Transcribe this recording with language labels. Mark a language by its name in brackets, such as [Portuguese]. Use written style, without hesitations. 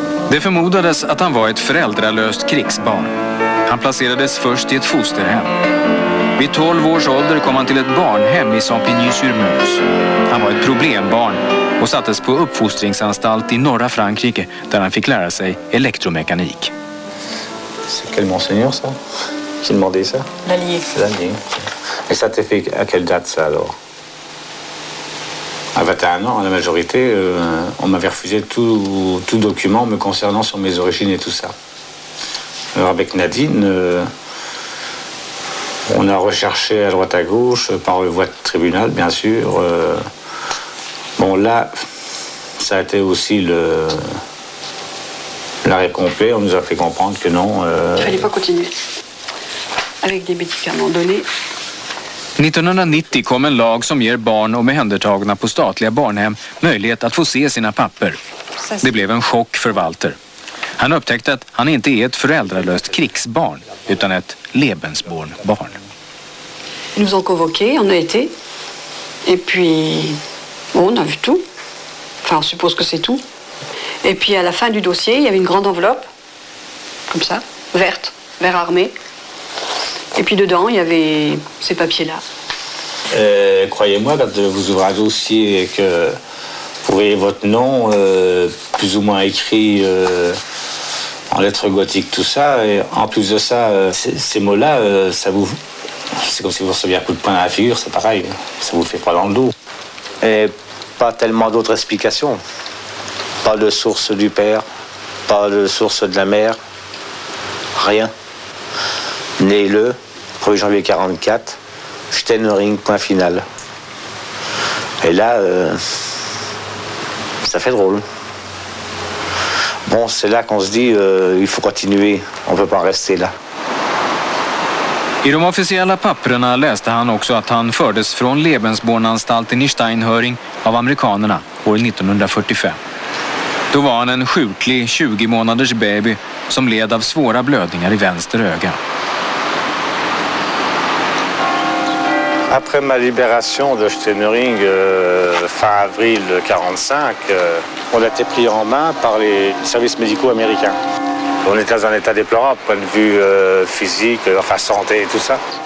[Swedish] Det förmodades att han var ett föräldralöst krigsbarn. Han placerades först i ett fosterhem. Vid 12 års ålder kom han till ett barnhem i Saint-Pigny-sur-Meuse. Han var ett problembarn och sattes på uppfostringsanstalt i norra Frankrike där han fick lära sig elektromekanik. [French] C'est quel monseigneur ça? Qui demandait ça? L'Allier. L'Allier. Et ça t'est fait à quelle date ça alors? À 21 ans, la majorité, on m'avait refusé tout document me concernant sur mes origines et tout ça. Alors avec Nadine, on a recherché à droite à gauche, par voie de tribunal bien sûr. Bon là, ça a été aussi l'arrêt complet, on nous a fait comprendre que non. Il fallait pas continuer avec des médicaments donnés. [Swedish] 1990 kom en lag som ger barn och omhändertagna på statliga barnhem möjlighet att få se sina papper. Det blev en chock för Walter. Han upptäckte att han inte är ett föräldralöst krigsbarn utan ett Lebensborn barn. [French] Nous ont convoqué, on a été. Et puis on a vu tout. Enfin, on suppose que c'est tout. Et puis à la fin du dossier, il y avait une grande enveloppe comme ça, verte, vert armé. Et puis dedans, il y avait ces papiers-là. Croyez-moi, quand vous ouvrez un dossier et que vous voyez votre nom, plus ou moins écrit en lettres gothiques, tout ça, et en plus de ça, ces mots-là, ça vous... C'est comme si vous receviez un coup de poing à la figure, c'est pareil. Ça vous fait froid dans le dos. Et pas tellement d'autres explications. Pas de source du père, pas de source de la mère, rien. Né le 1er janvier 44, Steinering, point final. Et là, ça fait drôle. Bon, c'est là qu'on se dit, il faut continuer, on ne peut pas rester là. [Swedish] I de officiella papperna läste han också att han fördes från Lebensbornanstalten i Steinering av amerikanerna år 1945. Då var han en sjuklig 20 månaders baby som led av svåra blödningar i vänster öga. [French] Après ma libération de Steinering, fin avril 45, on a été pris en main par les services médicaux américains. On était dans un état déplorable, point de vue physique, enfin santé et tout ça.